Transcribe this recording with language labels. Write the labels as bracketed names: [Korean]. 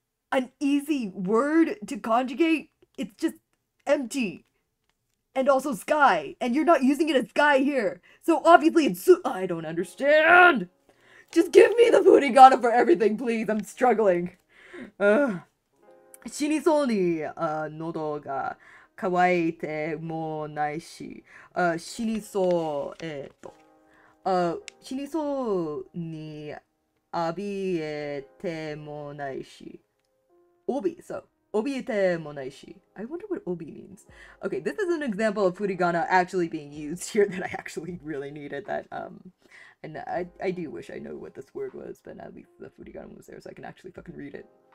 [English] an easy word to conjugate it's just empty and also sky and you're not using it as sky here so obviously it's su- I don't understandJust give me the furigana for everything, please. I'm struggling. [Japanese] 死にそうに喉が渇いてもないし、死にそう、死にそうに浴びえてもないし。 [English] Obi, so. [Japanese] Obi te mo nai shi. [English] I wonder what obi means. Okay, this is an example of furigana actually being used here that I actually really needed that, And I do wish I know what this word was, but at least the furigana was there so I can actually fucking read it.